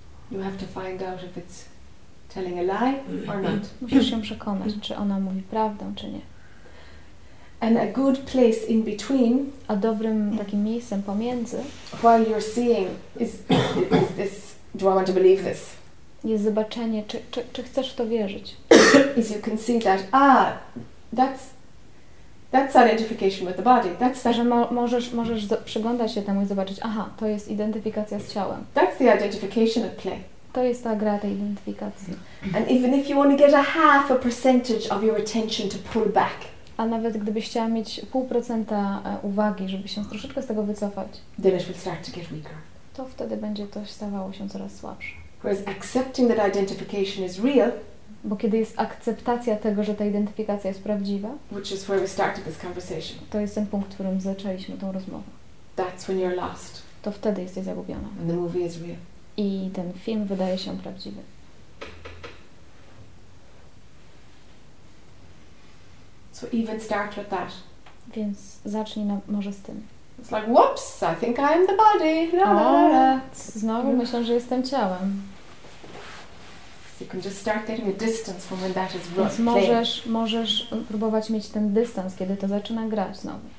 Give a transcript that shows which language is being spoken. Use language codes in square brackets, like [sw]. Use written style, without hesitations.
[en] You have to find out if it's telling a lie or not. [pl] Musisz się przekonać, czy ona mówi prawdę, czy nie. [en] And a good place in between. [pl] A dobrym takim miejscem pomiędzy. [en] While you're seeing is this, do I want to believe this? [pl] Jest zobaczenie, czy chcesz w to wierzyć. [en] Is you can see that that's identification with the body. That's that. [pl] Że możesz przyglądać się temu i zobaczyć, aha, to jest identyfikacja z ciałem. [en] That's the identification at play. [pl] To jest ta gra tej identyfikacji. [en] And even if you want to get a half a percentage of your attention to pull back. [pl] A nawet gdybyś chciała mieć 0,5% uwagi, żeby się troszeczkę z tego wycofać. [en] Then it will start to get weaker. [pl] To wtedy będzie to stawało się coraz słabsze. [en] Whereas accepting that identification is real. [pl] Bo kiedy jest akceptacja tego, że ta identyfikacja jest prawdziwa, [en] which is where we started this conversation. [pl] To jest ten punkt, w którym zaczęliśmy tą rozmowę. [en] That's when you're lost. [pl] To wtedy jesteś zagubiona. [en] And the movie is real. [pl] I ten film wydaje się prawdziwy. [en] So even start with that. [pl] Więc zacznij może z tym. [en] It's like, whoops, I think I'm the body. La, la, la. [pl] Znowu myślę, że jestem ciałem. [en] You can just start getting a distance from when that is real. [pl] Więc możesz próbować mieć ten dystans, kiedy to zaczyna grać znowu.